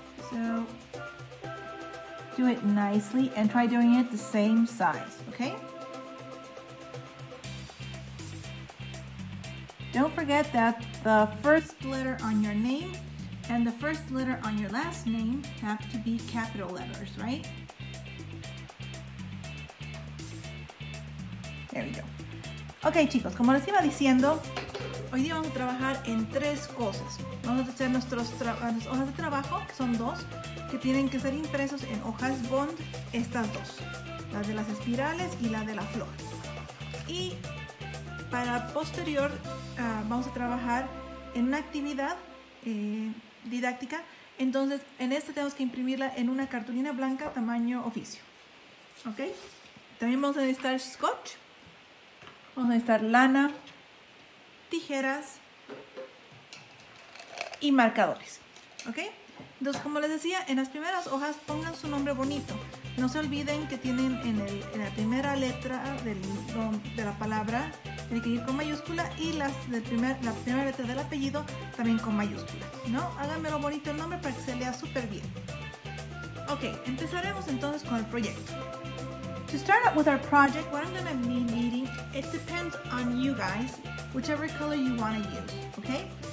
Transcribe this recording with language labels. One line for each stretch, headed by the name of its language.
English: So do it nicely and try doing it the same size, okay? Don't forget that the first letter on your name and the first letter on your last name have to be capital letters, right? There we go.
Spanish: Okay, chicos, como les iba diciendo, hoy día vamos a trabajar en tres cosas. Vamos a hacer nuestras hojas de trabajo, que son dos, que tienen que ser impresos en hojas bond, estas dos, la de las espirales y la de la flor. Y para posterior vamos a trabajar en una actividad didáctica, entonces en esta tenemos que imprimirla en una cartulina blanca tamaño oficio. ¿Okay? También vamos a necesitar scotch, vamos a necesitar lana, tijeras y marcadores, ¿ok? Entonces, como les decía, en las primeras hojas pongan su nombre bonito. No se olviden que tienen en la primera letra de la palabra, tiene que ir con mayúscula, y la primera letra del apellido también con mayúscula, ¿no? Háganmelo bonito el nombre para que se lea súper bien. Ok, empezaremos entonces con el proyecto.
English: To start up with our project, what I'm going to be needing, it depends on you guys, whichever color you want to use, okay?